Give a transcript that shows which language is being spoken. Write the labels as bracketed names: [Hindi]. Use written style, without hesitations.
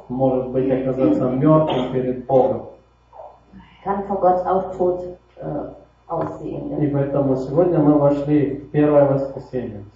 [Russian] Может быть оказаться мертвым перед Богом. [German] Kann vor Gott auch tot aussehen. [Russian] И поэтому сегодня мы вошли в первое воскресенье.